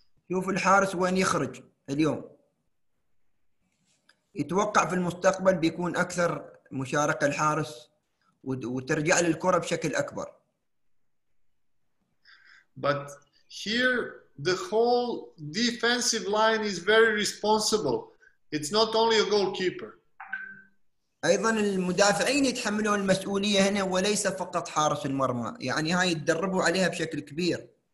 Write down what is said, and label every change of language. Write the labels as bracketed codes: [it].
[ar] شوف الحارس وين يخرج اليوم يتوقع في المستقبل بيكون أكثر مشاركة الحارس وترجع للكرة بشكل أكبر. [en] But here the whole defensive line is very responsible. It's not only a goalkeeper. [ar] أيضا المدافعين يتحملون المسؤولية هنا وليس فقط حارس المرمى. يعني هاي يتدربوا عليها بشكل كبير.